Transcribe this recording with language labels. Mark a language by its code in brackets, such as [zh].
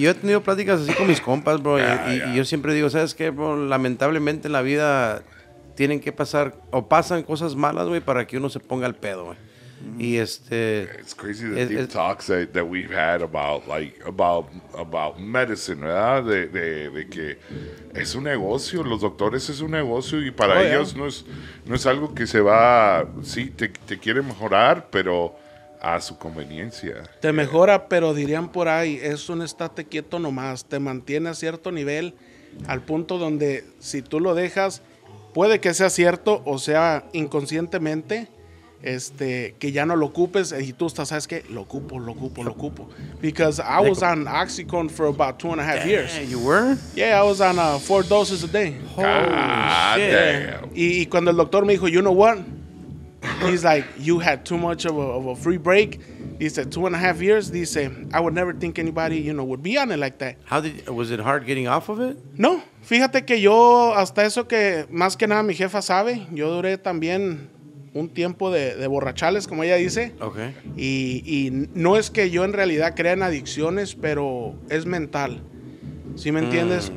[es] Yo he tenido pláticas así con mis compas, bro. Y yo siempre digo, ¿sabes qué, bro? Lamentablemente en la vida tienen que pasar o pasan cosas malas, güey, para que uno se ponga al pedo, güey. Y [en] it's crazy the deep talks that we've had about medicine, [es] ¿verdad? De que es un negocio, los doctores es un negocio y para ellos no es algo que se va, sí, te quiere mejorar, pero a su conveniencia. Te mejora, pero dirían por ahí, es un estate quieto nomás, te mantiene a cierto nivel al punto donde si tú lo dejas, puede que sea cierto o sea inconscientemente, que ya no lo ocupes y tú estás, ¿sabes qué? Lo ocupo. [en] Because I was on Oxycontin for about 2.5 years. You were? Yeah, I was on 4 doses a day. Holy shit. Damn. [es] Y cuando el doctor me dijo, [en] you know what? He's like, you had too much of a free break. He said, 2.5 years. He said, I would never think anybody, you know, would be on it like that. Was it hard getting off of it? No. [es] Fíjate que yo, hasta eso que más que nada mi jefa sabe, yo duré también un tiempo de borrachales, como ella dice. [en] Okay. [es] Y no es que yo en realidad crea en adicciones, pero es mental. ¿Sí me entiendes?